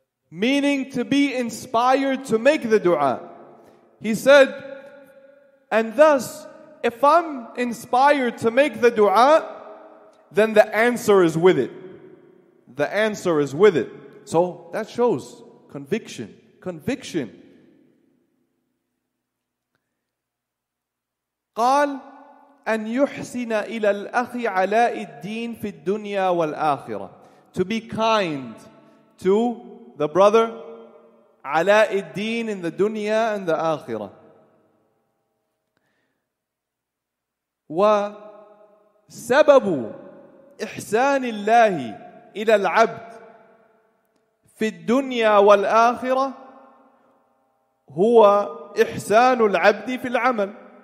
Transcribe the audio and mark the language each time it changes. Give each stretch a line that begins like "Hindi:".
English: Meaning to be inspired to make the dua. He said, and thus, if I'm inspired to make the dua, then the answer is with it. The answer is with it. So that shows conviction. Conviction.
Arabic: قال أن يحسن إلى الأخ علاء الدين في الدنيا والآخرة.
English: To be kind to the brother علاء الدين in the dunya and the آخرة.
Arabic: وسبب إحسان الله إلى العبد في الدنيا والآخرة هو إحسان العبد في العمل.